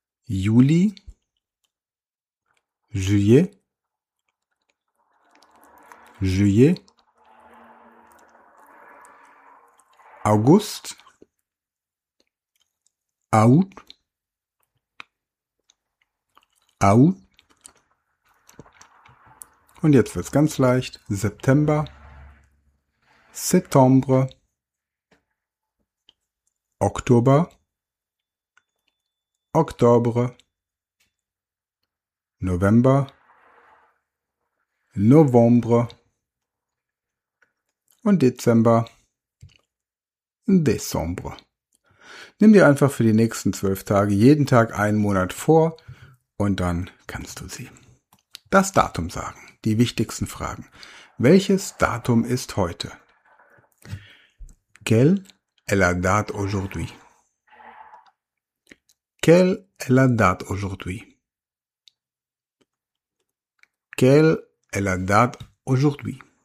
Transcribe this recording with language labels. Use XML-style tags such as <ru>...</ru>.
<fr>Juli, Juillet, Juillet, August, Août, Août.</fr> <de>Und jetzt wird's ganz leicht. September, Septembre, Oktober. Oktober, November, November und Dezember, Dezember. Nimm dir einfach für die nächsten 12 Tage jeden Tag einen Monat vor und dann kannst du sie. Das Datum sagen, die wichtigsten Fragen. Welches Datum ist heute?</de> <fr>Quelle est la date aujourd'hui? Quelle est la date aujourd'hui? Quelle est la date aujourd'hui?</fr>